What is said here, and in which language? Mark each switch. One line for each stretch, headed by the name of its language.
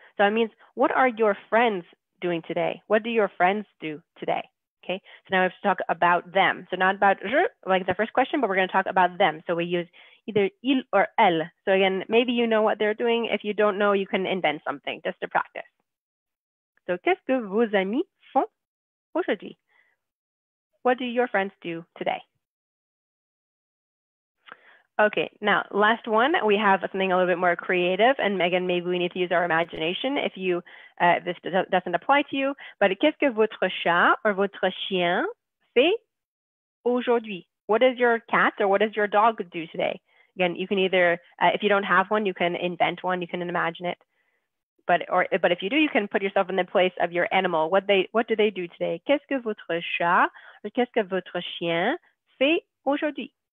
English: So that means, what are your friends doing today? What do your friends do today? Okay, so now we have to talk about them. So not about like the first question, but we're going to talk about them. So we use either il or elle. So again, maybe you know what they're doing. If you don't know, you can invent something just to practice.
French: So qu'est-ce que vos amis font aujourd'hui?
English: What do your friends do today? Okay, now last one, we have something a little bit more creative, and Megan, maybe we need to use our imagination if you this doesn't apply to you, but
French: qu'est-ce que votre chat
English: or
French: votre chien fait aujourd'hui?
English: What does your cat or what does your dog do today? Again, you can either, if you don't have one, you can invent one, you can imagine it, but if you do, you can put yourself in the place of your animal. What do they do today?
French: Qu'est-ce que votre chat or qu'est-ce que votre chien fait aujourd'hui?